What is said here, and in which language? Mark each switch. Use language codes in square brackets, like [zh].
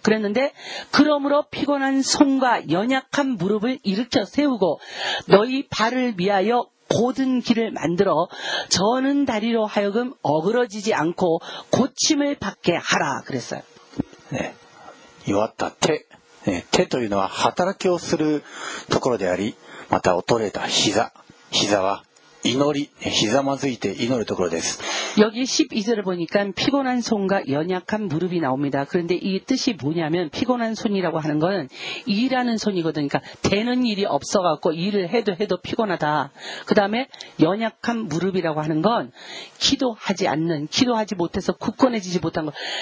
[ko] 그랬는데 그러므로 피곤한 손과 연약한 무릎을 일으켜 세우고 너희 발을 위하여 곧은 길을 만들어 저는 다리로 하여금 어그러지지 않고 고침을 받게 하라 그랬어요. 네. [ja] 弱った 手. [ko] 네, [ja] 手というのは働きをするところであり、また衰えた膝は 祈り, 膝まずいて 祈る ところです. [ko] 여기 12절을 보니까 피곤한 손과 연약한 무릎이 나옵니다. 그런데 이 뜻이 뭐냐면 피곤한 손이라고 하는 건 일하는 손이거든요. 그러니까 되는 일이 없어갖고 일을 해도 해도 피곤하다. 그 다음에 연약한 무릎이라고 하는 건 기도하지 않는, 기도하지 못해서 굳건해지지 못한 것.